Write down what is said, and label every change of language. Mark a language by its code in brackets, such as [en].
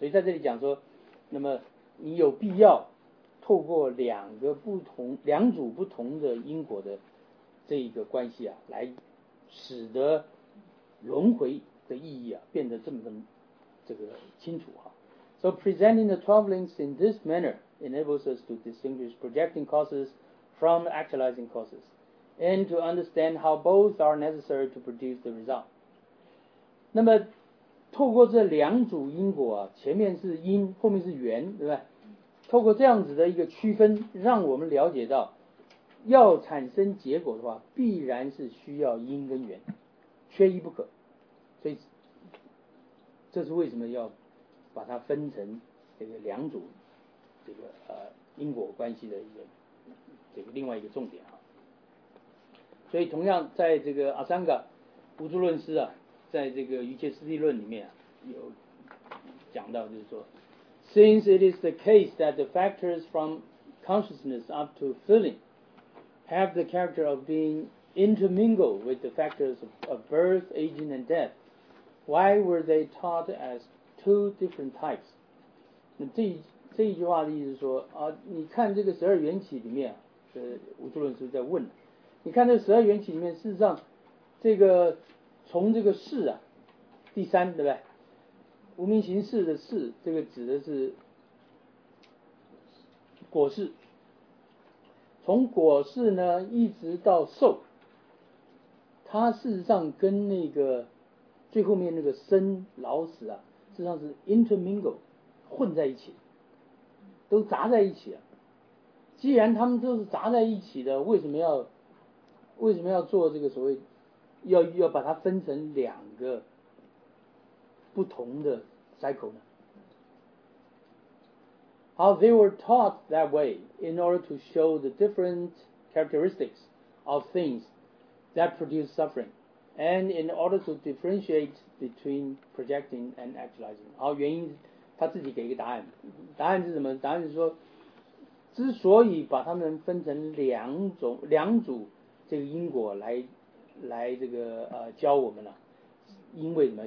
[zh] 所以在这里讲说，那么你有必要透过两组不同的因果的这一个关系啊，来使得轮回的意义啊变得这么清楚啊。 [en] So presenting the 12 links in this manner enables us to distinguish projecting causes from actualizing causes and to understand how both are necessary to produce the result. [zh] 那么透过这两组因果啊，前面是因，后面是缘，对不对？透过这样子的一个区分，让我们了解到要产生结果的话，必然是需要因跟缘，缺一不可。所以这是为什么要把它分成这个两组这个因果关系的一个这个另外一个重点啊。所以同样在这个阿桑嘎无著论师啊，在这个瑜伽师地论里面啊，有讲到，就是说 [en] Since it is the case that the factors from consciousness up to feeling have the character of being intermingled with the factors of birth, aging and death, why were they taught as two different types? [zh] 那这一句话的意思是说啊，你看这个十二缘起里面，无著论师在问，你看这十二缘起里面，事实上，这个从这个事啊，第三对不对？无明行事的事，这个指的是果事，从果事呢一直到受，它事实上跟那个最后面那个生老死啊，事实上是 intermingle 混在一起。都砸在一起啊！既然他们都是砸在一起的，为什么要做这个所谓要把它分成两个不同的 cycle 呢？ [en] 好 ，they were taught that way in order to show the different characteristics of things that produce suffering, and in order to differentiate between projecting and actualizing. [zh] 好，原因。他自己给一个答案，答案是什么？答案是说，之所以把他们分成两组这个因果来这个教我们了、啊，因为什么？